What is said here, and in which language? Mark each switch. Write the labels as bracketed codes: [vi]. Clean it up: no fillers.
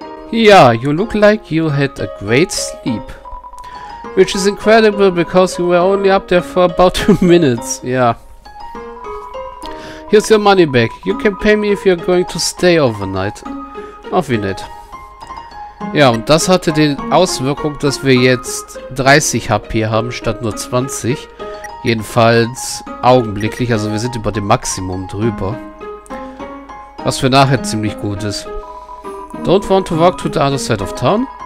[en] Ja, you look like you had a great sleep. Which is incredible, because you were only up there for about 2 minutes. Ja. Here's your money back. You can pay me if you're going to stay overnight. [de] Auf wie nett. Ja, und das hatte die Auswirkung, dass wir jetzt 30 HP haben statt nur 20. Jedenfalls augenblicklich, also wir sind über dem Maximum drüber. Was für nachher ziemlich gut ist. [en] Don't want to walk to the other side of town?